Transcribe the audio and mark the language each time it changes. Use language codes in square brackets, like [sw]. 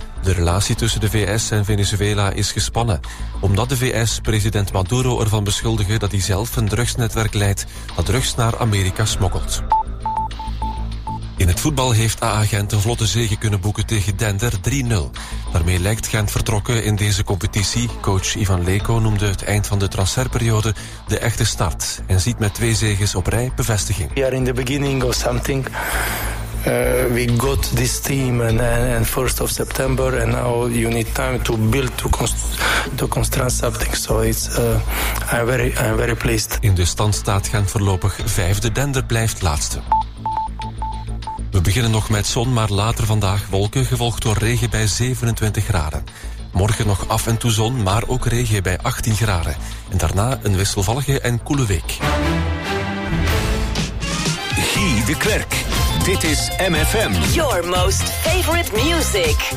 [nl] De relatie tussen de VS en Venezuela is gespannen, omdat de VS president Maduro ervan beschuldigen dat hij zelf een drugsnetwerk leidt dat drugs naar Amerika smokkelt. In het voetbal heeft AA Gent een vlotte zege kunnen boeken tegen Dender 3-0. Daarmee lijkt Gent vertrokken in deze competitie. Coach Ivan Leko noemde het eind van de transferperiode de echte start en ziet met twee zegens op rij bevestiging. [en] We are in the beginning of something. We got this team and 1st of September and now you need time to build to construct something. So it's I'm very pleased. [nl] In de stand staat Gent voorlopig vijfde, Dender blijft laatste. We beginnen nog met zon, maar later vandaag wolken, gevolgd door regen bij 27 graden. Morgen nog af en toe zon, maar ook regen bij 18 graden. En daarna een wisselvallige en koele week. Guy de Klerk, dit is MFM. [en] Your most favorite music.